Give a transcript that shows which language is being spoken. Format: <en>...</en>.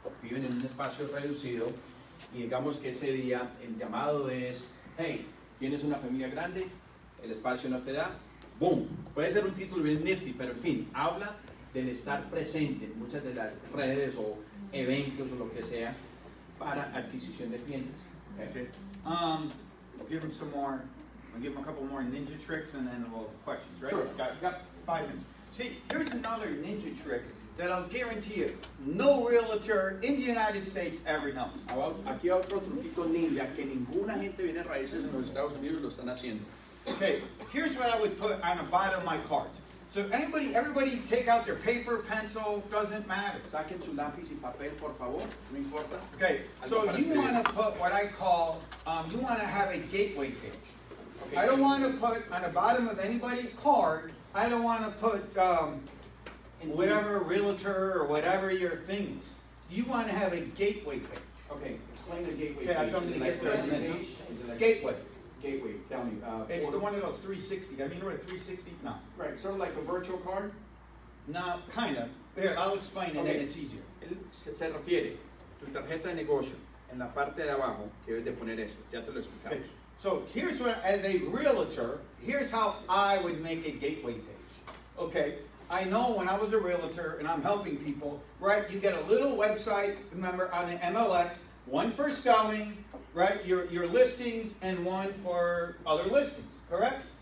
<es>Viven en un espacio reducido y digamos que ese día el llamado es, hey, tienes una familia grande, el espacio no te da. Boom. Puede ser un título bien nifty, pero en fin, habla del estar presente en muchas de las redes o eventos o lo que sea para adquisición de clientes.</es> <en>Okay. I'll give him some more. I'll give him a couple more ninja tricks and then we'll have questions. Right? Sure. Got 5 minutes. See, here's another ninja trick that I'll guarantee you, no realtor in the United States ever knows.</en> <es>Aquí otro truquito ninja que ninguna gente viene raíces en los Estados Unidos lo están haciendo.</es> <en>Okay, here's what I would put on the bottom of my cards. So everybody take out their paper, pencil, doesn't matter.</en> <es>Saquen su lápiz y papel, por favor. No importa.</es> <en>Okay, so you want to put what I call, you want to have a gateway page. Okay. I don't want to put on the bottom of anybody's card, I don't want to put whatever realtor or whatever your thing is. You want to have a gateway page. Okay, explain the gateway page. Okay, so I'm going to get there. Gateway. Gateway, tell me. It's the one of those 360. I mean, you're a 360? No. Right, sort of like a virtual card? No, kind of. Here, I'll explain it, and it's easier.</en> <es>Él se refiere tu tarjeta de negocio en la parte de abajo que debes de poner esto. Ya te lo explicamos. Okay.</es> <en>So here's what, as a realtor, here's how I would make a gateway page. Okay, I know when I was a realtor and I'm helping people, right, you get a little website, remember, on the MLX, one for selling, right, your listings, and one for other listings, correct?</en>